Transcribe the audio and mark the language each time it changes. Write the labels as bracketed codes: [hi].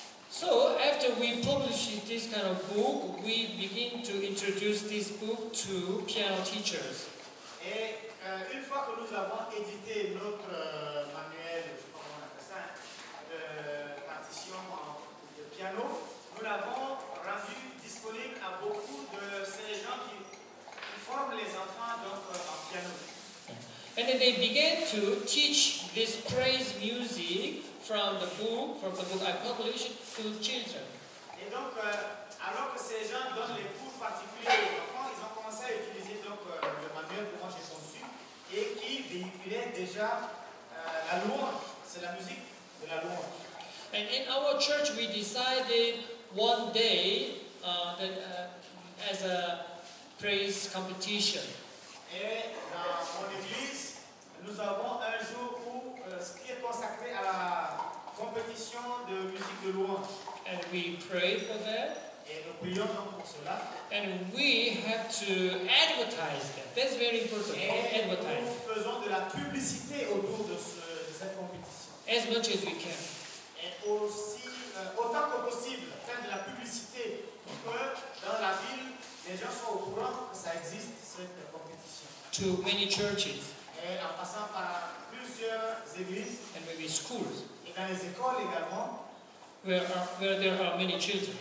[en] So after we publish this kind of book, we begin to introduce this book to piano teachers. [fr] Et une fois que nous avons édité notre manuel, je sais pas comment on appelle ça, de partition de piano, nous l'avons rendu disponible à beaucoup de ces gens qui forment les enfants donc en piano. [en] And then they began to teach this praise music from the book I published to children. Et donc, alors que ces gens donnent les cours particuliers aux enfants, ils ont commencé à utiliser donc le manuel que moi j'ai conçu et qui véhiculait déjà la louange. [fr] C'est la musique de la louange. [en] And in our church, we decided one day that as a praise competition. [fr] Et dans mon église, nous avons un jour où ce qui est consacré à la compétition de musique de louange. [en] And we pray for that. [fr] Et nous prions pour cela. [en] And we have to advertise that. That's very important. [fr] Et [en] advertise. [fr] Nous faisons de la publicité autour de cette compétition. [en] As much as we can. [fr] Et aussi, autant que possible, faire de la publicité pour que dans la ville, les gens soient au courant que ça existe, cette compétition. [en] To many churches. [fr] Et en passant par plusieurs églises [en] and maybe schools. [fr] Et dans les écoles également, [en] where there are many children.